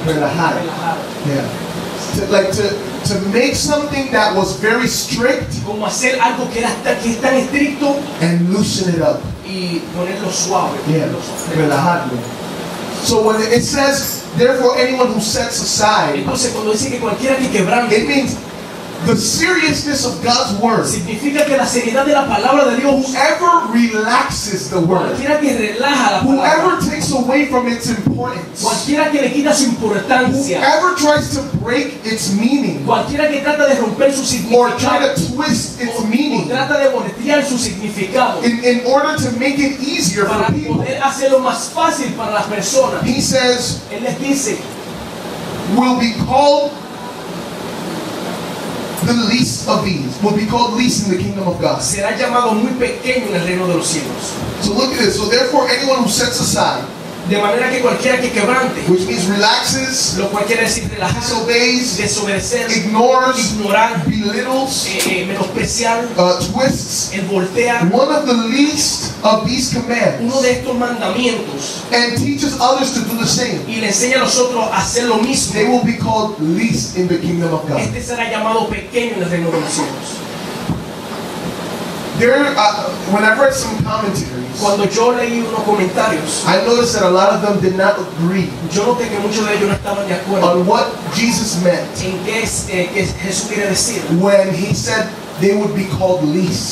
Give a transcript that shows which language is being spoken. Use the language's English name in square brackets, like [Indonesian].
[English] relajar. Yeah. To make something that was very strict, [Spanish] como hacer algo que era tan estricto, [English] and loosen it up, [Spanish] y ponerlo suave, yeah, relajarlo. [English] So when it says, therefore anyone who sets aside, [Spanish] entonces cuando dice que cualquiera que quebrante, [English] it means the seriousness of God's word. [Spanish] Significa que la seriedad de la palabra de Dios. [English] Whoever relaxes the word. [Spanish] Cualquiera que relaja la palabra. [English] Whoever takes away from its importance. [Spanish] Cualquiera que le quita su importancia. [English] Whoever tries to break its meaning. [Spanish] Cualquiera que trata de romper su significado. [English] Or try to twist its meaning. [Spanish] O trata de voltear su significado. [English] In order to make it easier [Spanish] para [English] for people. [Spanish] Poder hacerlo más fácil para las personas. [English] He says. [Spanish] Él les dice. [English] Will be called. The least of these will be called least in the kingdom of God. [Spanish] Será llamado muy pequeño en el reino de los cielos. [English] So look at this. So therefore, anyone who sets aside, [Spanish] De manera que cualquiera que quebrante, [English] which means relaxes, [Spanish] lo cual quiere decir relajarse, [English] disobeys, [Spanish] desobedecer, [English] ignores, [Spanish] ignorar, [English] belittles, [Spanish] menospreciar, [English] twists, [Spanish] el voltea, [English] one of the least of these commands, [Spanish] uno de estos mandamientos, [English] and teaches others to do the same, [Spanish] y le enseña a los otros a hacer lo mismo, [English] they will be called least in the kingdom of God. [Spanish] Este será llamado pequeño en el reino de los cielos. [English] There, when I read some commentaries, [Spanish] cuando yo leí unos comentarios, [English] I noticed that a lot of them did not agree. [Spanish] Yo noté que muchos de ellos no estaban de acuerdo. [English] On what Jesus meant. [Spanish] En qué es, qué Jesús quiere decir. [English] When he said they would be called least.